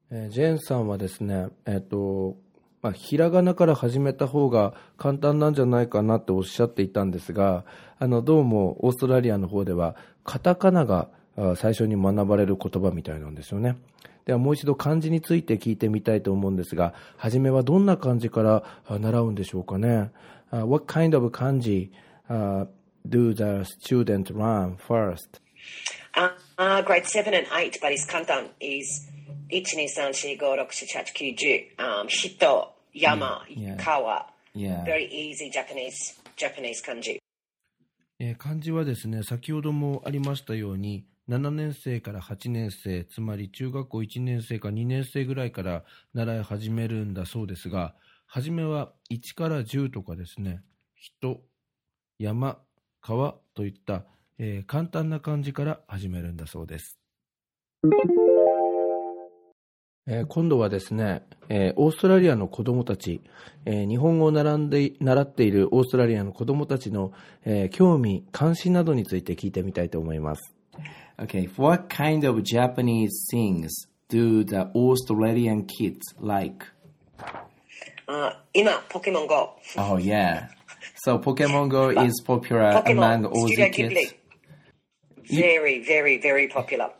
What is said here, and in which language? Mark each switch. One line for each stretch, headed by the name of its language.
Japanese: ジェーンさんはですね、まあ、ひらがなから始めた方が簡単なんじゃないかなっておっしゃっていたんですが、どうもオーストラリアの方ではカタカナが最初に学ばれる言葉みたいなんですよね。ではもう一度漢字について聞いてみたいと思うんですが、初めはどんな漢字から習うんでしょうかね。
English: What kind of 漢字do the student learn first? Grade 7 and 8, but it's 簡単 is... 1,2,3,4,5,6,7,8,9,10
Japanese: Hito, Yama, Kawa.
English: Very easy Japanese 漢字。
Japanese: 漢字はですね、先ほどもありましたように、7年生から8年生、つまり中学校1年生か2年生ぐらいから習い始めるんだそうですが、初めは1から10とかですね、人、山、川といった、簡単な漢字から始めるんだそうです。今度はですね、オーストラリアの子どもたち、日本語を習っているオーストラリアの子どもたちの、興味、関心などについて聞いてみたいと思います。
English: Okay, what kind of Japanese things do the Australian kids like?
Japanese: 今、Pokemon Go.
English: Oh, yeah. So, Pokemon Go is popular among Aussie kids? Very, very, very popular.